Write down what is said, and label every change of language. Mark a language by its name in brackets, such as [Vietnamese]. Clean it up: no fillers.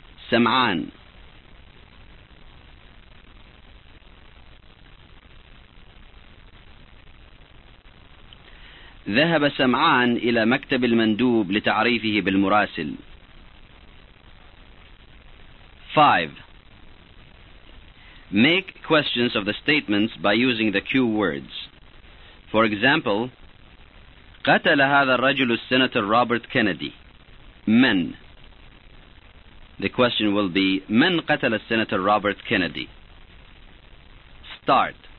[Arabic] سمعان ذهب سمعان إلى مكتب المندوب لتعريفه بالمراسل. 5. [English] Make questions of the statements by using the cue words. For example, [Arabic] قتل هذا الرجل السناتور روبرت كينيدي. من؟ [English] The question will be [Arabic] من قتل السناتور روبرت كينيدي؟ [English] Start.